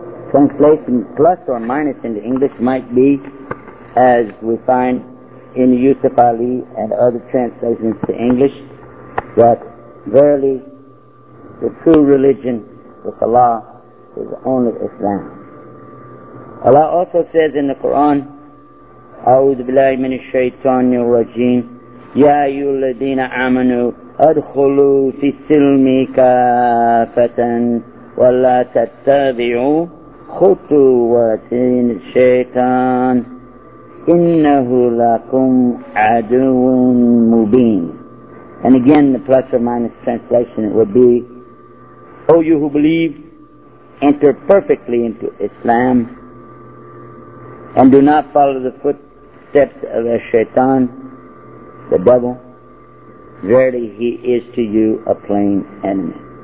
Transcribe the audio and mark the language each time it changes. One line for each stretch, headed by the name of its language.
English: Translation plus or minus in the English might be as we find in Yusuf Ali and other translations to English, that verily the true religion with Allah is only Islam. Allah also says in the Quran,
Arabic: أعوذ بالله من الشيطان الرجيم يا أيها الذين آمنوا أدخلوا في السلم كافة ولا تتبعوا خطوات الشيطان إِنَّهُ لَكُمْ عَدُوٌ مُبِينٌ.
English: And again, the plus or minus translation, it would be, O you who believe, enter perfectly into Islam and do not follow the footsteps of the shaitan, the devil. Verily, he is to you a plain enemy.